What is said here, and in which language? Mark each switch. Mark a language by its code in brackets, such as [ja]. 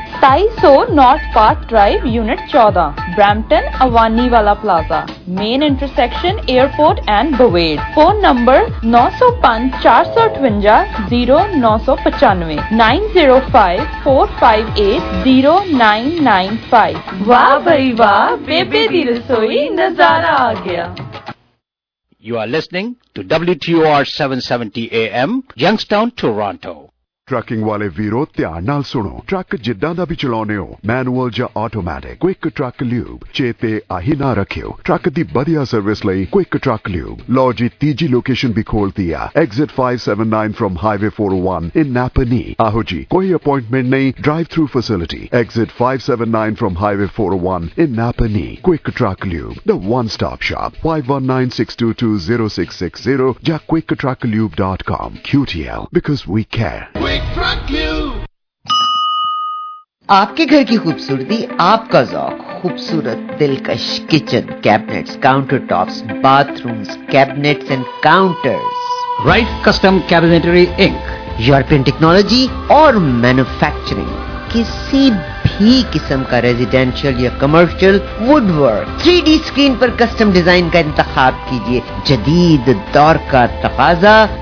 [en] 2700 north park drive unit 14 Brampton Avani ਵਾਲਾ plaza main intersection airport and Bovaird phone number 905-458-0995 [pa] ਵਾਹ ਬਈ ਵਾਹ ਬੇਬੇ ਦੀ ਰਸੋਈ ਨਜ਼ਾਰਾ ਆ ਗਿਆ [en] You are listening to WTOR 770 AM, Youngstown, Toronto. [pa] Trucking ਵਾਲੇ ਵੀਰੋ ਧਿਆਨ ਨਾਲ ਸੁਣੋ ਟਰੱਕ ਜਿੱਦਾਂ ਦਾ ਵੀ ਚਲਾਉਂਦੇ ਹੋ ਮੈਨੂਅਲ ਜਾਂ ਆਟੋਮੈਟਿਕ ਕੁਇਕ ਟਰੱਕ ਲਿਊਬ ਚੇਤੇ ਆਹੀ ਨਾ ਰੱਖਿਓ ਟਰੱਕ ਦੀ ਵਧੀਆ ਸਰਵਿਸ ਲਈ ਕੁਇਕ ਟਰੱਕ ਲਿਊਬ ਲਓ ਜੀ ਤੀਜੀ ਲੋਕੇਸ਼ਨ ਵੀ ਖੋਲਤੀ ਆ [en] exit 579 from highway 401 in Napanee [pa] ਆਹੋ ਜੀ ਕੋਈ ਅਪਾਇੰਟਮੈਂਟ ਨਹੀਂ [en] drive through facility exit 579 from highway 401 in Napanee quick truck lube the one stop shop 519-622-0660 ਜਾਂ quick truck lube .com QTL because we care [hi] आपके घर की खूबसूरती आपका ज़ौक खूबसूरत दिलकश kitchen cabinets countertops bathrooms cabinets and counters right custom cabinetry ink European technology और manufacturing किसी भी किस्म का रेजिडेंशियल या कमर्शियल वुडवर्क 3D स्क्रीन पर कस्टम डिजाइन का इंतखाब कीजिए जदीद दौर का तकाजा